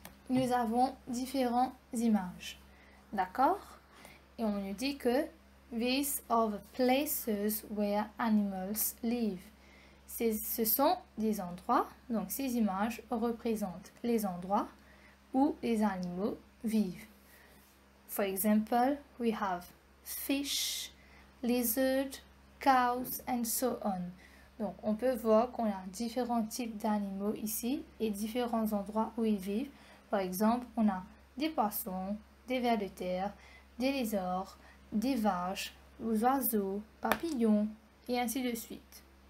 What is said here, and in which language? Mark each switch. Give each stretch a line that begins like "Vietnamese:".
French: Nous avons différentes images. D'accord? Et on nous dit que
English: these are the places where animals live.
French: Ce sont des endroits, donc ces images représentent les endroits où les animaux vivent.
English: For example, we have fish, lizards, cows and so on.
French: Donc on peut voir qu'on a différents types d'animaux ici et différents endroits où ils vivent. Par exemple, on a des poissons, des vers de terre, des lézards, des vaches, des oiseaux, papillons et ainsi de suite.